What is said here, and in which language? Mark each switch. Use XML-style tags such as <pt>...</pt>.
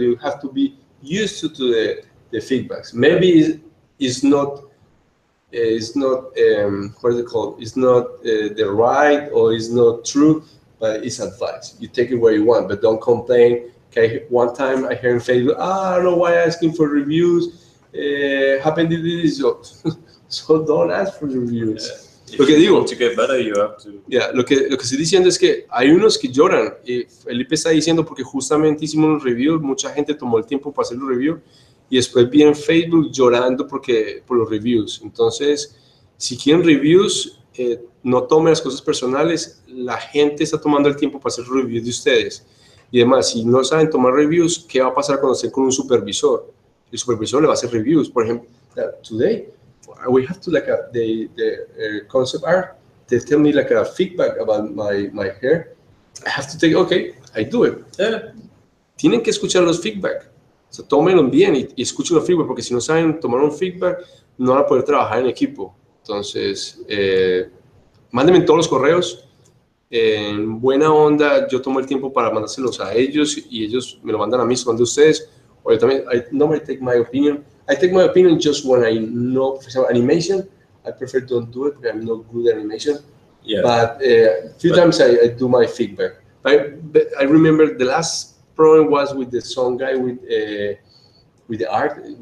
<en>You have to be used to the feedbacks. Maybe it's not the right, or it's not true. But it's advice. You take it where you want, but don't complain. Okay, one time I heard in Facebook, I don't know why asking for reviews. Happened to this. So don't ask for reviews. Yeah. If you want to get better, you have to.</en> <es>Yeah, lo que estoy diciendo es que hay unos que lloran. Y Felipe está diciendo porque justamente hicimos un review, mucha gente tomó el tiempo para hacer un review, y después vi en Facebook llorando por los reviews. Entonces, si quieren reviews, no tome las cosas personales, la gente está tomando el tiempo para hacer reviews de ustedes. Y además, si no saben tomar reviews, ¿qué va a pasar cuando estén con un supervisor? El supervisor le va a hacer reviews.</es> <en>Por ejemplo, today, we have to like concept art, they tell me like a feedback about my hair. I have to take, okay, I do it.</en> <es>Tienen que escuchar los feedback. O sea, tómenlo bien y escuchen los feedback, porque si no saben tomar un feedback, no van a poder trabajar en equipo. Entonces, mándenme todos los correos. En buena onda, yo tomo el tiempo para mandárselos a ellos y ellos me lo mandan a mí, se lo mandan a ustedes. O yo también,</es> <en>I normally take my opinion. I take my opinion just when I know, for example, animation. I prefer don't do it because I'm not good at animation. Yeah. But a few times I do my feedback. I remember the last problem was with the song guy with the art.</en>